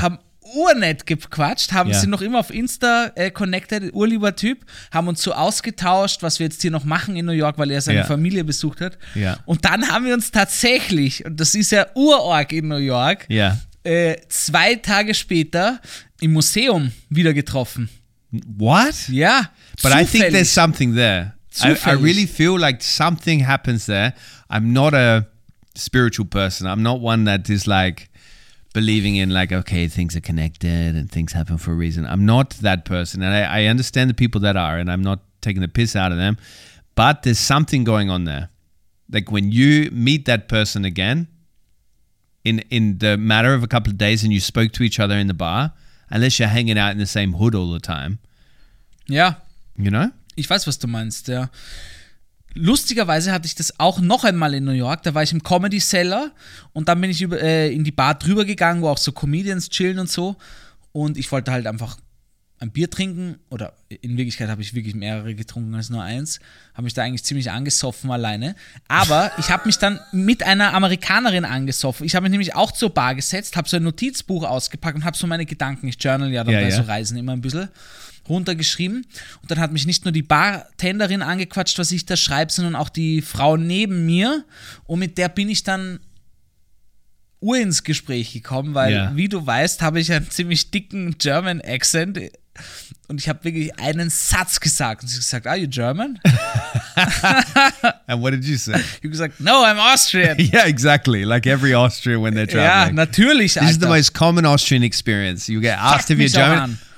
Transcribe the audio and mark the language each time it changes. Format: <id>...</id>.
<de>haben urnett gequatscht, haben, yeah, sind noch immer auf Insta connected, urlieber Typ, haben uns so ausgetauscht, was wir jetzt hier noch machen in New York, weil er seine, yeah, Familie besucht hat.</de> <en>Yeah.</en> <de>Und dann haben wir uns tatsächlich, und das ist ja urorg in New York,</de> <en>yeah,</en> <de>zwei Tage später im Museum wieder getroffen.</de> <en>What? Yeah.</en> <de>But zufällig.</de> <en>I think there's something there. I really feel like something happens there. I'm not a spiritual person. I'm not one that is like believing in like, okay, things are connected and things happen for a reason. I'm not that person. And I understand the people that are, and I'm not taking the piss out of them. But there's something going on there. Like when you meet that person again in the matter of a couple of days and you spoke to each other in the bar, unless you're hanging out in the same hood all the time. Yeah. You know?</en> <de>Ich weiß, was du meinst, ja. Lustigerweise hatte ich das auch noch einmal in New York. Da war ich im Comedy Cellar und dann bin ich in die Bar drüber gegangen, wo auch so Comedians chillen und so. Und ich wollte halt einfach ein Bier trinken. Oder in Wirklichkeit habe ich wirklich mehrere getrunken als nur eins. Habe mich da eigentlich ziemlich angesoffen alleine. Aber ich habe mich dann mit einer Amerikanerin angesoffen. Ich habe mich nämlich auch zur Bar gesetzt, habe so ein Notizbuch ausgepackt und habe so meine Gedanken, ich journal ja dann, yeah, bei, yeah, so Reisen immer ein bisschen, runtergeschrieben. Und dann hat mich nicht nur die Bartenderin angequatscht, was ich da schreibe, sondern auch die Frau neben mir. Und mit der bin ich dann ur ins Gespräch gekommen, weil, yeah, wie du weißt, habe ich einen ziemlich dicken German Accent. Und ich habe wirklich einen Satz gesagt. Und sie hat gesagt,</de> <en>are you German? And what did you say? You</en> <de>gesagt,</de> <en>no, I'm Austrian. Yeah, exactly. Like every Austrian when they're traveling.</en> <de>Ja, natürlich,</de> <en>Alter. This is the most common Austrian experience. You get asked if you're German.</en>